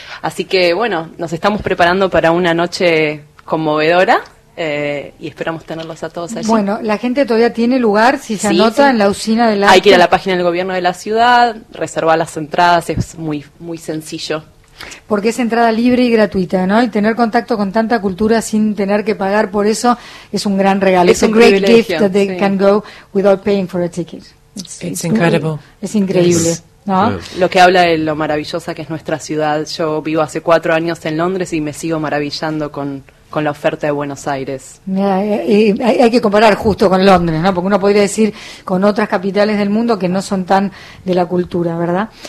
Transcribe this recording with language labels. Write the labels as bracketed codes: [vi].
[es] Así que, bueno, nos estamos preparando para una noche conmovedora y esperamos tenerlos a todos allí. Bueno, la gente todavía tiene lugar, si se anota, sí. En la usina del arte. Hay que ir a la página del gobierno de la ciudad, reservar las entradas, es muy, muy sencillo. Porque es entrada libre y gratuita, ¿no? Y tener contacto con tanta cultura sin tener que pagar por eso es un gran regalo. Es un [en] great gift that they can go without paying for a ticket. It's incredible. [es] Es increíble, ¿no? Lo que habla de lo maravillosa que es nuestra ciudad. Yo vivo hace 4 años en Londres y me sigo maravillando con la oferta de Buenos Aires. Hay que comparar justo con Londres, ¿no? Porque uno podría decir con otras capitales del mundo que no son tan de la cultura, ¿verdad?